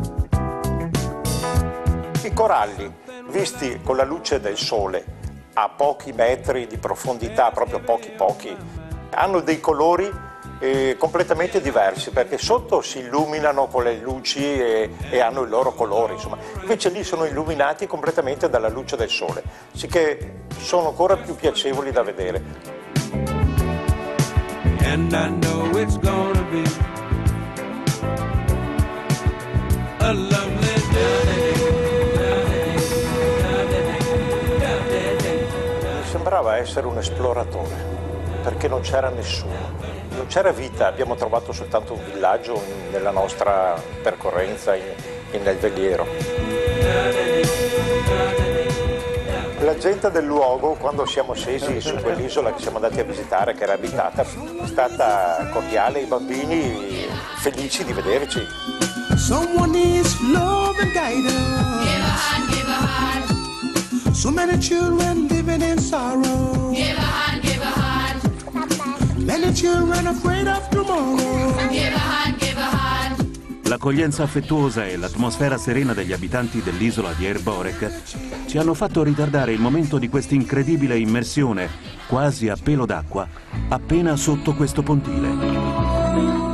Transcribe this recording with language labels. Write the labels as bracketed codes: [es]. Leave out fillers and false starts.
[en] eyes. [it] I coralli, visti con la luce del sole, a pochi metri di profondità, proprio pochi, hanno dei colori completamente diversi, perché sotto si illuminano con le luci e hanno il loro colore, insomma. Invece lì sono illuminati completamente dalla luce del sole, sicché sono ancora più piacevoli da vedere. [en] And I know it's gonna be a lovely day. [it] Sembrava essere un esploratore, perché non c'era nessuno, non c'era vita, abbiamo trovato soltanto un villaggio nella nostra percorrenza nel veliero. La gente del luogo, quando siamo scesi su quell'isola che siamo andati a visitare, che era abitata, è stata cordiale, i bambini felici di vederci. [en] Someone is love and guidance. So many children living in sorrow. Give a hand, give a hand. Many children afraid of tomorrow. Give a hand, give a hand. [it] L'accoglienza affettuosa e l'atmosfera serena degli abitanti dell'isola di Erborek ci hanno fatto ritardare il momento di questa incredibile immersione, quasi a pelo d'acqua, appena sotto questo pontile.